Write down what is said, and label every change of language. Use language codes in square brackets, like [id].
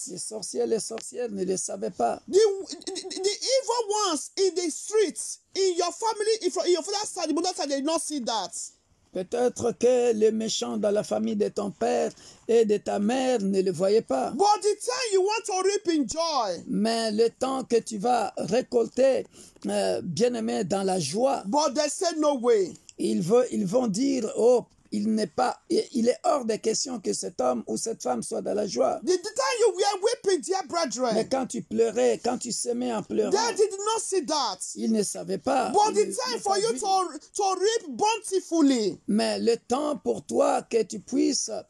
[fr] Les sorcières ne le savaient pas. [en] The evil ones in the streets. In your family, if your father's side, your mother's side, they did not see that. [fr] Peut-être que les méchants dans la famille de ton père et de ta mère ne le voyaient pas. [en] But the time you want to reap in joy. [fr] Mais le temps que tu vas récolter, bien-aimé, dans la joie. [en] But they said no way. [fr] Ils vont dire, oh, il est hors de question que cet homme ou cette femme soit dans la joie. [en] The time you were weeping, dear brethren. [fr] Mais quand tu pleurais, quand tu semais en pleurant. [en] They did not see that. [fr] Ils ne savaient pas. [en] But the time for you to reap bountifully. [fr] Mais le temps pour toi que tu puisses